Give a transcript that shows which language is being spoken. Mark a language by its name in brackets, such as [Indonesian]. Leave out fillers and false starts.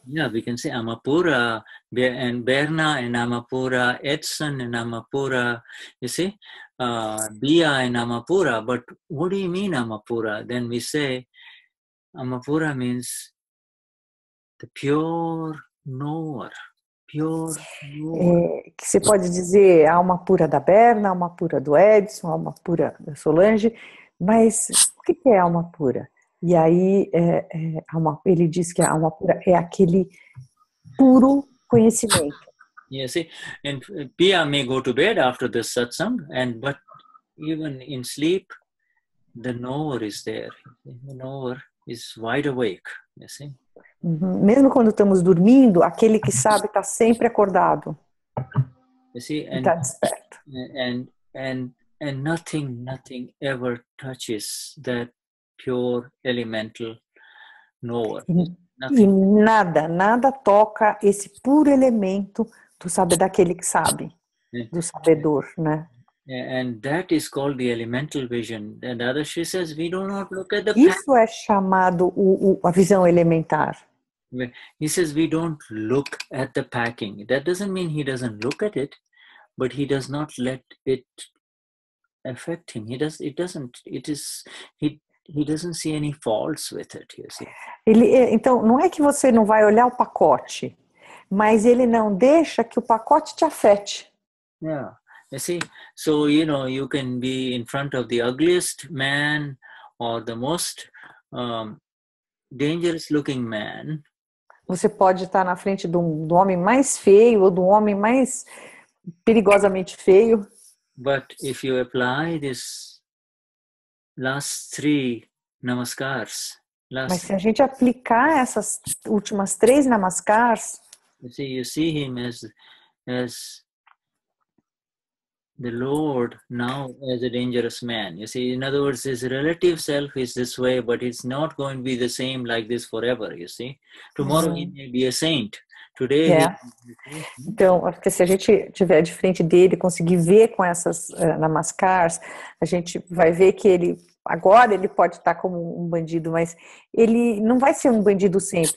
[English] Yeah, we can say Amapura, and Berna and Amapura, Edson and Amapura, you see, Bia and Amapura. But what do you mean Amapura? Then we say Amapura means the pure knower. [Portuguese] Que você pode dizer alma pura da Berna, alma pura do Edson, alma pura da Solange, mas o que é alma pura? E aí ele diz que a alma pura é aquele puro conhecimento. [English] Yeah, see, and Pia may go to bed after the satsang, and but even in sleep, the knower is there. The knower is wide awake. You see. [Portuguese] Mesmo quando estamos dormindo, aquele que sabe está sempre acordado. Está desperto. [English] And nothing ever touches that pure elemental knower. [Portuguese] E nada toca esse puro elemento do saber daquele que sabe, do sabedor, né? [English] And that is called the elemental vision. And other she says we do not look at the. [Portuguese] Isso é chamado a visão elementar. [English] He says we don't look at the packing. That doesn't mean he doesn't look at it, but he does not let it affect him. He doesn't see any faults with it, you see. [Portuguese] Então não é que você não vai olhar o pacote, mas ele não deixa que o pacote te afete. Yeah. [English] You see, so you know, you can be in front of the ugliest man or the most dangerous looking man. [Portuguese] Você pode estar na frente de do homem mais feio ou do homem mais perigosamente feio. [English] But if you apply this last three namaskars, [Portuguese] mas se a gente aplicar essas últimas três namaskars, [English] you see him as the Lord now as a dangerous man. You see, in other words, his relative self is this way, but it's not going to be the same like this forever, you see. Tomorrow he may be a saint. Today. Yeah. [Portuguese] Então, porque se a gente tiver de frente dele, conseguir ver com essas namaskars, a gente vai ver que ele, agora ele pode estar como um bandido, mas ele não vai ser um bandido sempre.